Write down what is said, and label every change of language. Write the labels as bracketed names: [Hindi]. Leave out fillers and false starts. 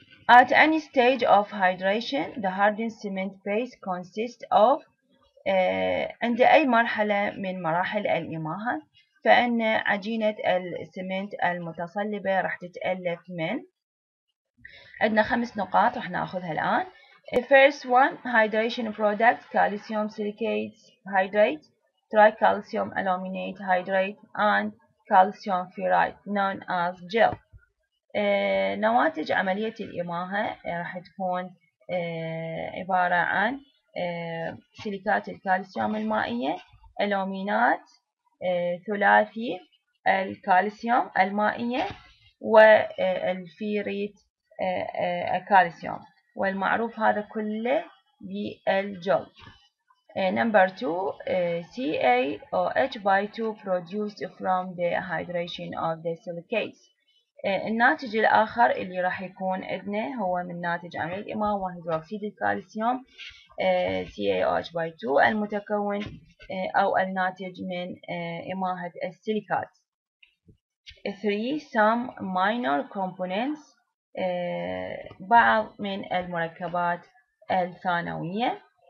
[English] At any stage of hydration, the hardened cement base consists of [Arabic] عند أي مرحلة من مراحل الإماهة فإن عجينة السمنت المتصلبة راح تتألف من عندنا خمس نقاط راح نأخذها الآن. [English] The first one, hydration product, calcium silicate hydrate, tricalcium aluminate hydrate, and calcium ferrite, known as gel. [Arabic] نواتج عملية الإماهة راح تكون عبارة عن سيليكات الكالسيوم المائية، ألومينات ثلاثي الكالسيوم المائية، والفيريت الكالسيوم، والمعروف هذا كله بالجل. [English] Number 2 CaOH by 2 produced from the hydration of the silicates. [Arabic] الناتج الآخر اللي راح يكون عندنا هو من ناتج عمل الإماء وهيدروكسيد الكالسيوم CaOH by 2 المتكون أو الناتج من إماهة السيليكات. [English] 3 some minor components [Arabic] بعض من المركبات الثانوية.